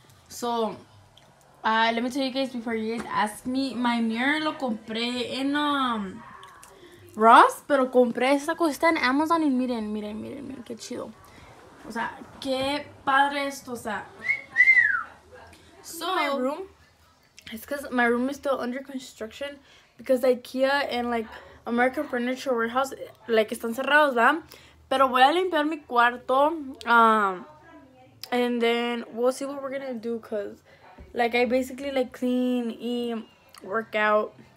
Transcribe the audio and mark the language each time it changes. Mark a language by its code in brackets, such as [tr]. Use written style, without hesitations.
[en] So, let me tell you guys before you guys ask me. My mirror [es] lo compré en, Ross, pero compré esta cosita en Amazon y miren, qué chido. O sea, qué padre esto, o sea. [en] So, my room, it's because my room is still under construction because IKEA and, like, American Furniture Warehouse, like, [es] están cerrados, ¿verdad? Pero voy a limpiar mi cuarto, [en] and then we'll see what we're gonna do because, like, I basically, like, clean y work out.